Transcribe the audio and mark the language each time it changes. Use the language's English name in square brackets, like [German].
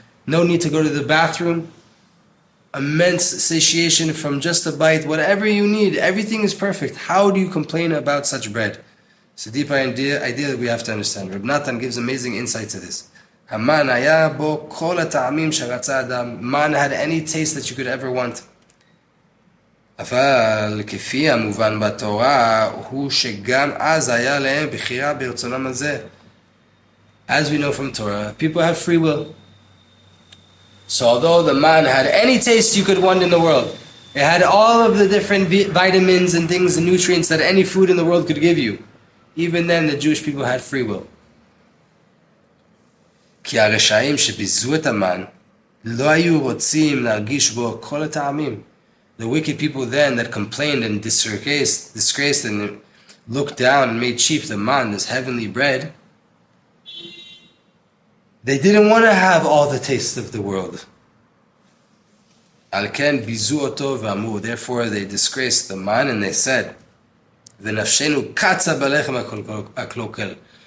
[English] No need to go to the bathroom. Immense satiation from just a bite. Whatever you need, everything is perfect. How do you complain about such bread? It's a deep idea that we have to understand. Rabbi Nathan gives amazing insight to this. [Hebrew] Haman haya bo kol ha'ta'amim sharatza adam. [English] Man had any taste that you could ever want. [Hebrew] אבל כפי המובן בתורה הוא שגם אז היה להם בחירה ברצונם הזה. [English] As we know from Torah, people have free will. So although the man had any taste you could want in the world, it had all of the different vitamins and things and nutrients that any food in the world could give you, even then the Jewish people had free will. [Hebrew] כי הרשעים שביזו את המן לא היו רוצים להרגיש בו כל הטעמים. [English] The wicked people then that complained and disgraced and looked down and made cheap the man, this heavenly bread, they didn't want to have all the tastes of the world. [Hebrew] Al ken bizu oto v'amu. [English] Therefore, they disgraced the man and they said, [Hebrew] "V'nafshenu katza balechem aklokel."